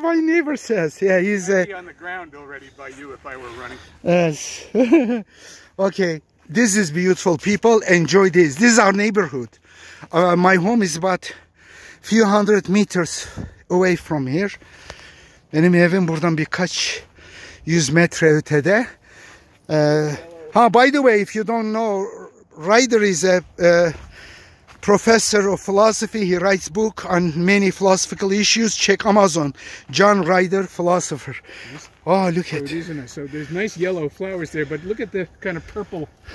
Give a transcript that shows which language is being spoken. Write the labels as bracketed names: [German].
[English] My neighbor says, "Yeah, he's." I'd be on the ground already by you if I were running. Yes. Okay. This is beautiful, people. Enjoy this. This is our neighborhood. My home is about a few hundred meters away from here. [Turkish] Benim evim buradan birkaç yüz metre ötede. [English] By the way, if you don't know, Ryder is a professor of philosophy. He writes book on many philosophical issues. Check Amazon. John Ryder, philosopher. Oh, look at it. So there's nice yellow flowers there, but look at the kind of purple.